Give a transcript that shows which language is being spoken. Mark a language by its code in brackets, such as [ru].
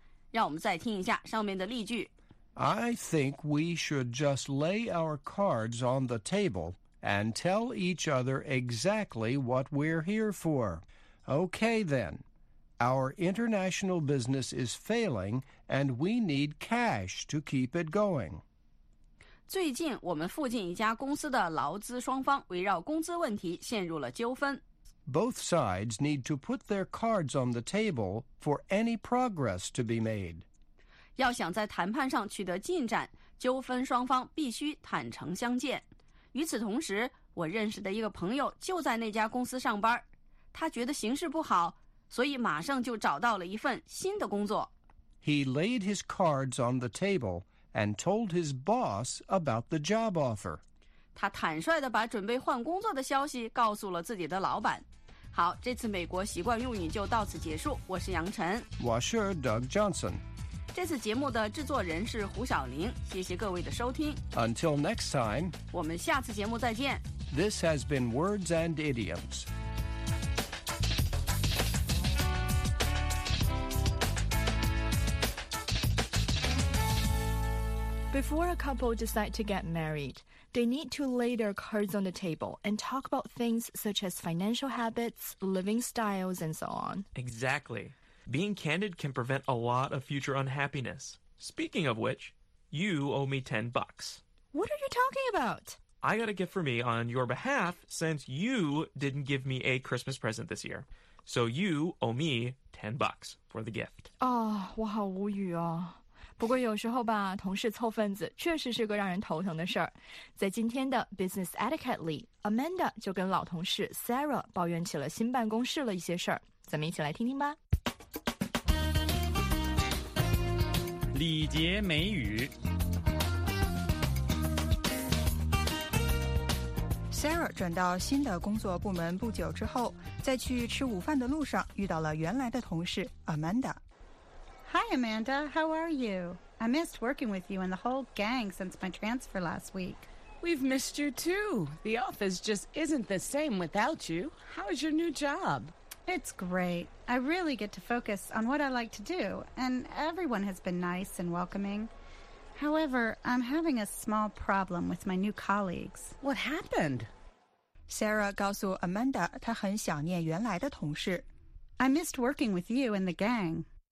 [zh] 让我们再听一下上面的例句。 [en] I think we should just lay our cards on the table and tell each other exactly what we're here for. Okay, then. Our international business is failing and we need cash to keep it going. [zh] 最近我们附近一家公司的劳资双方围绕工资问题陷入了纠纷。 [en] Both sides need to put their cards on the table for any progress to be made. [zh] 要想在谈判上取得进展，纠纷双方必须坦诚相见。与此同时，我认识的一个朋友就在那家公司上班，他觉得形势不好，所以马上就找到了一份新的工作。 [en] He laid his cards on the table and told his boss about the job offer. [zh] 他坦率地把准备换工作的消息告诉了自己的老板。好，这次美国习惯用语就到此结束。我是杨晨，我是 Doug Johnson。这次节目的制作人是胡晓玲，谢谢各位的收听。 [en] Until next time， [zh] 我们下次节目再见。 [en] This has been Words and Idioms。 Before a couple decide to get married, they need to lay their cards on the table and talk about things such as financial habits, living styles, and so on. Exactly. Being candid can prevent a lot of future unhappiness. Speaking of which, you owe me $10. What are you talking about? I got a gift for me on your behalf since you didn't give me a Christmas present this year. So you owe me $10 for the gift. [zh] Oh, 我好无语啊。不过有时候吧，同事凑份子确实是个让人头疼的事儿。在今天的 Business Etiquette 里， Amanda 就跟老同事 Sarah 抱怨起了新办公室了一些事儿。咱们一起来听听吧。礼节美语。 Sarah 转到新的工作部门不久之后，在去吃午饭的路上遇到了原来的同事 Amanda [en] Hi, Amanda. How are you? I missed working with you and the whole gang since my transfer last week. We've missed you, too. The office just isn't the same without you. How's your new job? It's great. I really get to focus on what I like to do, and everyone has been nice and welcoming. However, I'm having a small problem with my new colleagues. What happened? [zh] Sarah 告诉 Amanda 她很想念原来的同事。 [en] I missed working with you and the gang.